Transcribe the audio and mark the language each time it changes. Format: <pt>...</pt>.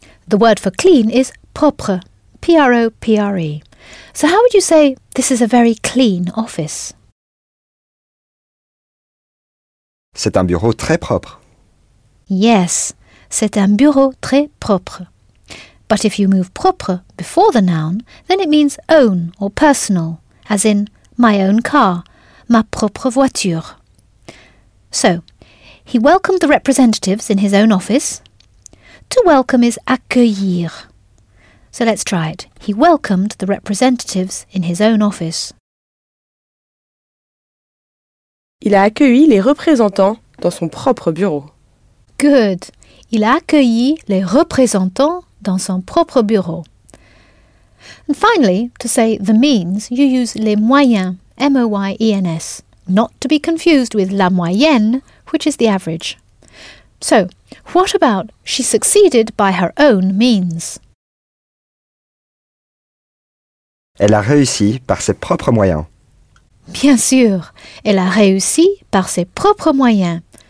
<en>The word for clean is propre, P-R-O-P-R-E. So how would you say this is a very clean office?</en> <fr>C'est un bureau très propre.</fr> <en>Yes,</en> <fr>c'est un bureau très propre.</fr> <en>But if you move propre before the noun, then it means own or personal, as in my own car,</en> <fr>ma propre voiture.</fr> <en>So, he welcomed the representatives in his own office. To welcome is accueillir. So let's try it. He welcomed the representatives in his own office.</en> <fr>Il a accueilli les représentants dans son propre bureau.</fr> <en>Good.</en> <fr>Il a accueilli les représentants dans son propre bureau.</fr> <en>And finally, to say the means, you use</en> <fr>les moyens,</fr> <en>M-O-Y-E-N-S. Not to be confused with</en> <fr>la moyenne,</fr> <en>which is the average. So, what about she succeeded by her own means?</en> <fr>Elle a réussi par ses propres moyens. Bien sûr, elle a réussi par ses propres moyens.</fr>